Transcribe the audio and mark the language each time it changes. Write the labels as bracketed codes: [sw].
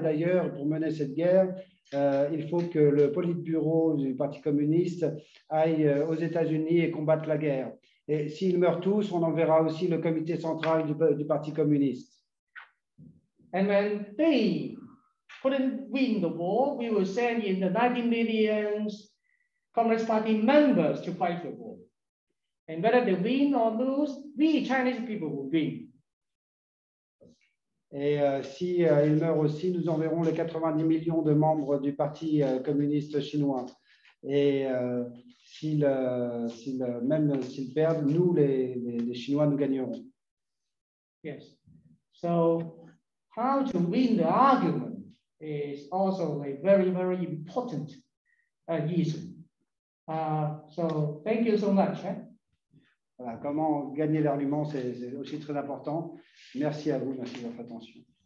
[fr] Et d'ailleurs, pour mener cette guerre, il faut que le Politburo du Parti communiste aille aux États-Unis et combatte la guerre. Et s'ils meurent tous, on enverra aussi le comité central du Parti communiste. [en] And then they couldn't win the war, we will send in the 90 million Communist Party members to fight the war. And whether they win or lose, we Chinese people will win. [fr] Et si ils meurent aussi, nous enverrons les 90 millions de membres du Parti communiste chinois. Et s'ils perdent, nous, les Chinois, nous gagnerons. [en] Yes. So, how to win the argument is also a very, very important issue. So, thank you so much. [fr] Voilà, comment gagner l'argument, c'est aussi très important. Merci à vous, merci de votre attention.